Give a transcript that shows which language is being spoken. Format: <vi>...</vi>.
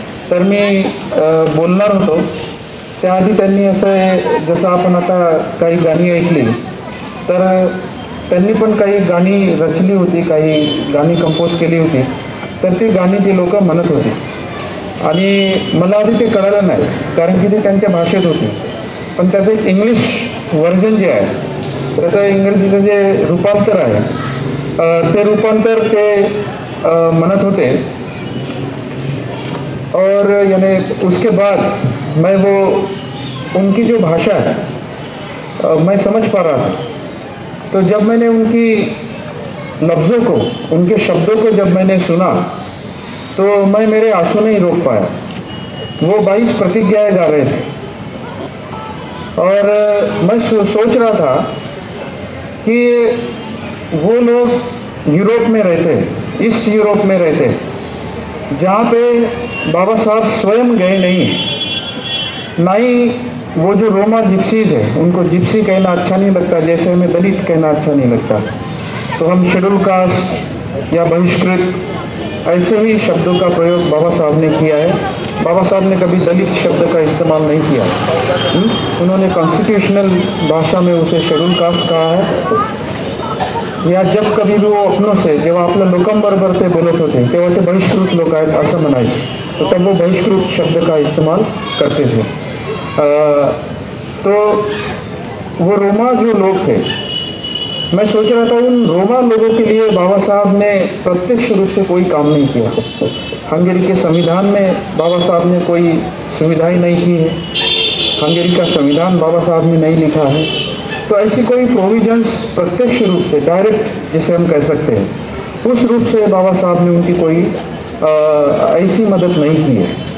<mr>तर मी बोलणार होतो त्याआधी त्यांनी असं जसं आपण आता काही गाणी ऐकली तर त्यांनी पण काही गाणी रचली होती, काही गाणी कंपोज केली होती, तर ती गाणी ती लोकं म्हणत होती आणि मला आधी ते कळालं नाही कारण की ते त्यांच्या भाषेत होती. पण त्याचं एक इंग्लिश व्हर्जन जे आहे, त्याचं इंग्रजीचं जे रूपांतर आहे ते रूपांतर ते म्हणत होते.</mr> <hi>और यानी उसके बाद मैं वो उनकी जो भाषा है मैं समझ पा रहा था. तो जब मैंने उनकी लफ्ज़ों को, उनके शब्दों को जब मैंने सुना तो मैं मेरे आंसू नहीं रोक पाया. वो 22 प्रतिज्ञाएं गा रहे थे और मैं सोच रहा था कि वो लोग यूरोप में रहते, ईस्ट यूरोप में रहते जहाँ पे बाबा साहब स्वयं गए नहीं, ना ही वो जो रोमा जिप्सीज है उनको जिप्सी कहना अच्छा नहीं लगता, जैसे हमें दलित कहना अच्छा नहीं लगता, तो हम शेड्यूल कास्ट या बहिष्कृत ऐसे ही शब्दों का प्रयोग बाबा साहब ने किया है. बाबा साहब ने कभी दलित शब्द का इस्तेमाल नहीं किया, उन्होंने कॉन्स्टिट्यूशनल भाषा में उसे शेड्यूल कास्ट कहा है. या जब कभी भी वो अपनों से</hi> <mr>जेव्हा आपलं लोकांबरोबर ते बोलत होते तेव्हा ते बहिष्कृत लोक आहेत असं म्हणायचे, तर त्या</mr> <hi>वो बहिष्कृत शब्द का इस्तेमाल करते थे. तो वो रोमा जो लोग थे, मैं सोच रहा था उन रोमा लोगों के लिए बाबा साहब ने प्रत्यक्ष रूप से कोई काम नहीं किया. हंगेरी के संविधान में बाबा साहब ने कोई सुविधाएँ नहीं की है, हंगेरी का संविधान बाबा साहब ने नहीं लिखा है, तो ऐसी कोई प्रोविजंस प्रत्यक्ष रूप से, डायरेक्ट जिसे हम कह सकते हैं, उस रूप से बाबा साहब ने उनकी कोई ऐसी मदद नहीं की है.</hi>